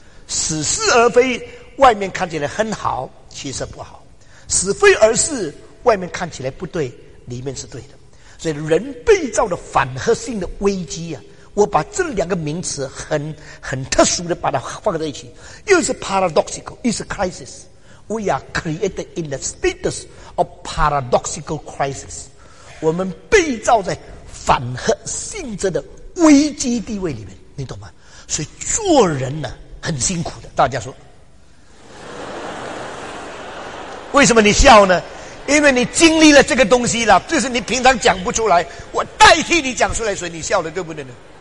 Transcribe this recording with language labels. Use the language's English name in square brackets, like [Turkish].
[Chinese] 死是而非，外面看起来很好，其实不好；死非而是，外面看起来不对，里面是对的。所以人被造的反合性的危机啊，我把这两个名词很特殊的把它放在一起，又是 paradoxical， 又是 crisis。 [English] We are created in the status of paradoxical crisis. [Chinese] 我们被造在反合性质的危机地位里面，你懂吗？所以做人呢很辛苦的。大家说，为什么你笑呢？因为你经历了这个东西了，就是你平常讲不出来，我代替你讲出来，所以你笑了，对不对呢？